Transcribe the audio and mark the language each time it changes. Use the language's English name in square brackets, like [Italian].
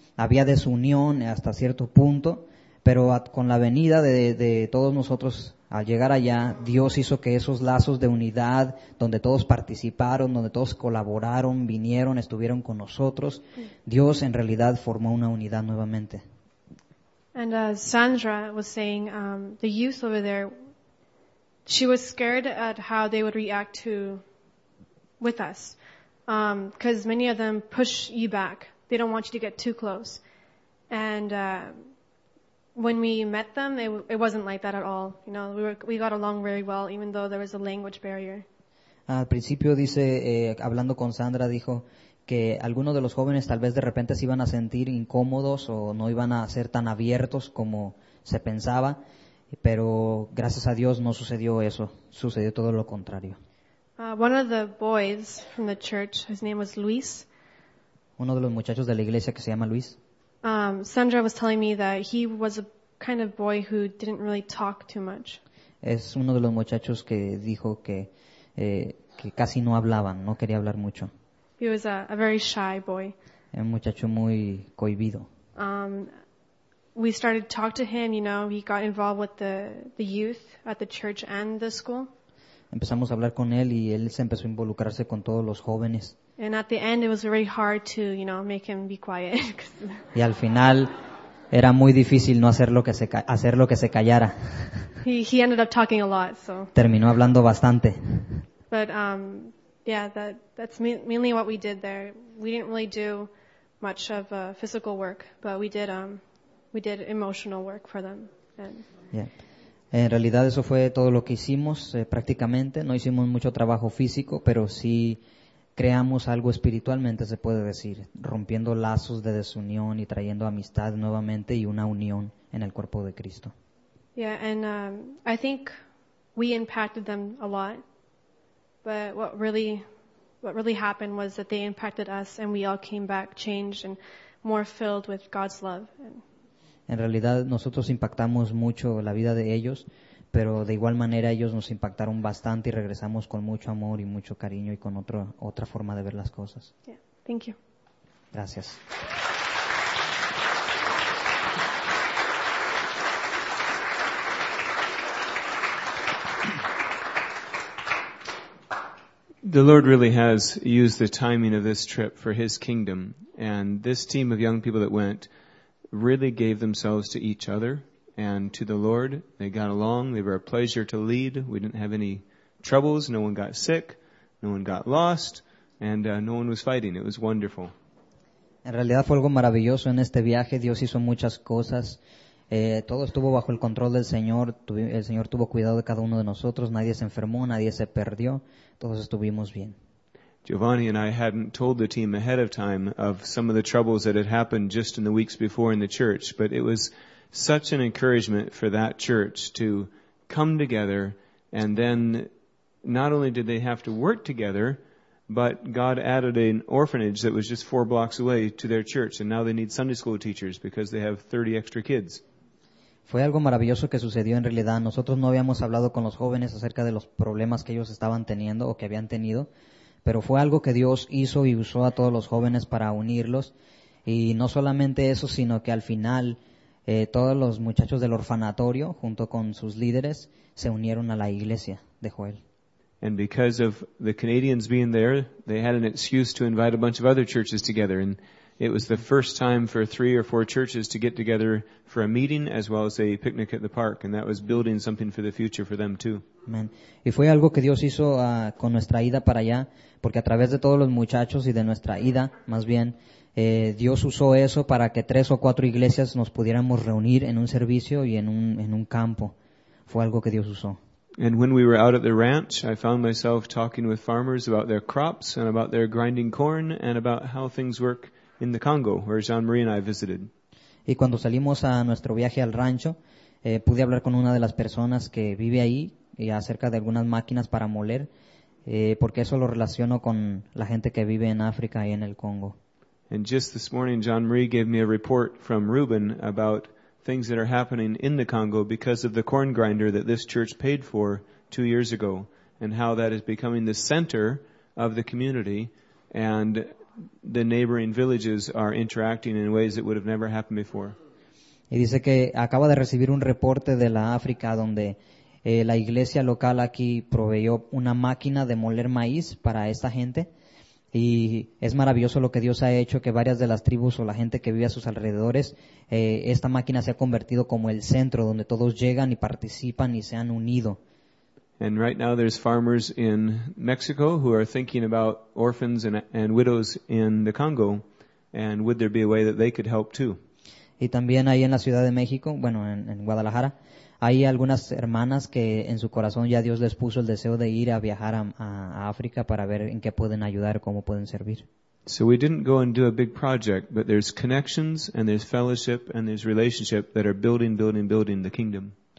[Spanish] Había desunión hasta cierto punto, pero con la venida de todos nosotros al llegar allá, Dios hizo que esos lazos de unidad, donde todos participaron, donde todos colaboraron, vinieron, estuvieron con nosotros, Dios en realidad formó una unidad nuevamente. [English] And Sandra was saying, the youth over there, she was scared at how they would react to with us. Because many of them push you back. They don't want you to get too close. And when we met them, it wasn't like that at all. You know, we got along very well, even though there was a language barrier. [Spanish] Al principio dice, hablando con Sandra, dijo que algunos de los jóvenes tal vez de repente se iban a sentir incómodos o no iban a ser tan abiertos como se pensaba, pero gracias a Dios no sucedió eso, sucedió todo lo contrario. [English] One of the boys from the church, his name was Luis. [Spanish] Uno de los muchachos de la iglesia que se llama Luis. [English] Sandra was telling me that he was a kind of boy who didn't really talk too much. [Spanish] Es uno de los muchachos que dijo que casi no hablaban, no quería hablar mucho. [English] He was a very shy boy. [Spanish] Un muchacho muy cohibido. [English] We started to talk to him, you know, he got involved with the youth at the church and the school. [Spanish] Empezamos a hablar con él y él se empezó a involucrarse con todos los jóvenes. [English] And at the end it was very hard to, you know, make him be quiet. [Spanish] Y al final era muy difícil no hacer lo que se callara. [English] He ended up talking a lot, so. [Spanish] Terminó hablando bastante. [English] But that's mainly what we did there. We didn't really do much of physical work, but we did emotional work for them. And yeah. [Spanish] En realidad eso fue todo lo que hicimos prácticamente. No hicimos mucho trabajo físico, pero sí creamos algo espiritualmente, se puede decir, rompiendo lazos de desunión y trayendo amistad nuevamente y una unión en el cuerpo de Cristo. [English] Yeah, and I think we impacted them a lot. But what really happened was that they impacted us and we all came back changed and more filled with God's love. [Spanish] En realidad nosotros impactamos mucho la vida de ellos, pero de igual manera ellos nos impactaron bastante y regresamos con mucho amor y mucho cariño y con otra forma de ver las cosas. [English] Yeah. Thank you. [Spanish] Gracias. [English] The Lord really has used the timing of this trip for His kingdom. And this team of young people that went really gave themselves to each other and to the Lord. They got along. They were a pleasure to lead. We didn't have any troubles. No one got sick. No one got lost. And no one was fighting. It was wonderful. [Spanish] En realidad fue algo maravilloso en este viaje. Dios hizo muchas cosas. Todo estuvo bajo el control del Señor. El Señor tuvo cuidado de cada uno de nosotros. Nadie se enfermó, nadie se perdió. Todos estuvimos bien. [English] Giovanni and I hadn't told the team ahead of time of some of the troubles that had happened just in the weeks before in the church, but it was such an encouragement for that church to come together, and then not only did they have to work together, but God added an orphanage that was just 4 blocks away to their church, and now they need Sunday school teachers because they have 30 extra kids. [Spanish] Fue algo maravilloso que sucedió en realidad. Nosotros no habíamos hablado con los jóvenes acerca de los problemas que ellos estaban teniendo o que habían tenido, pero fue algo que Dios hizo y usó a todos los jóvenes para unirlos. Y no solamente eso, sino que al final todos los muchachos del orfanatorio, junto con sus líderes, se unieron a la iglesia de Joel. [English] And because of the Canadians being there, they had an excuse to invite a bunch of other churches together. And it was the first time for 3 or 4 churches to get together for a meeting as well as a picnic at the park. And that was building something for the future for them too. Amen. [Spanish] Y fue algo que Dios hizo con nuestra ida para allá, porque a través de todos los muchachos y de nuestra ida, más bien, Dios usó eso para que 3 o 4 iglesias nos pudiéramos reunir en un servicio y en un campo. Fue algo que Dios usó. [English] And when we were out at the ranch, I found myself talking with farmers about their crops and about their grinding corn and about how things work in the Congo, where Jean-Marie and I visited. [Spanish] Y cuando salimos a nuestro viaje al rancho, pude hablar con una de las personas que vive ahí y acerca de algunas máquinas para moler, porque eso lo relaciono con la gente que vive en África y en el Congo. [English] And just this morning, Jean-Marie gave me a report from Ruben about things that are happening in the Congo because of the corn grinder that this church paid for 2 years ago, and how that is becoming the center of the community, and the neighboring villages are interacting in ways that would have never happened before. [Spanish] Y dice que acaba de recibir un reporte de la África donde la iglesia local aquí proveyó una máquina de moler maíz para esta gente. Y es maravilloso lo que Dios ha hecho, que varias de las tribus o la gente que vive a sus alrededores, esta máquina se ha convertido como el centro donde todos llegan y participan y se han unido. [English] And right now there's farmers in Mexico who are thinking about orphans and widows in the Congo, and would there be a way that they could help too? [Spanish] Y también ahí en la Ciudad de México, bueno, en Guadalajara, hay algunas hermanas que en su corazón ya Dios les puso el deseo de ir a viajar a África para ver en qué pueden ayudar, cómo pueden servir. [English] So we didn't go and do a big project, but there's connections and there's fellowship and there's relationship that are building, building, building the kingdom.